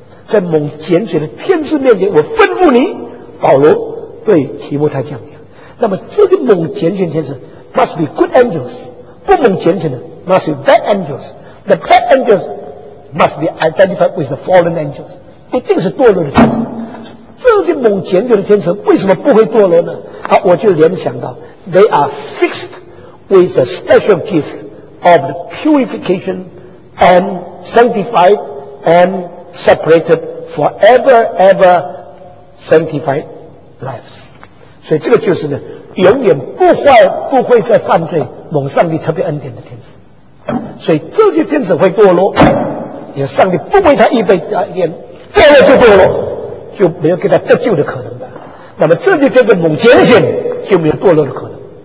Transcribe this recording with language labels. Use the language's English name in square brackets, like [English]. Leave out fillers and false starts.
[Chinese] 在蒙拣选的天使面前，我吩咐你，保罗对提摩太这样讲。那么这个蒙拣选天使 [English] must be good angels， [Chinese] 不蒙拣选的 [English] must be bad angels。 The bad angels must be identified with the fallen angels。 [Chinese] 一定是堕落的天使，这些蒙拣选的天使为什么不会堕落呢？好，我就联想到 [English] they are fixed with the special gift of the purification and sanctified and separated forever ever sanctified lives. [Chinese] 所以这个就是呢，永远不坏，不会再犯罪，蒙上帝特别恩典的天使。所以这些天使会堕落，也上帝不为他预备的恩。堕落就堕落，就没有给他得救的可能的。那么这就叫做蒙拣选，就没有堕落的可能。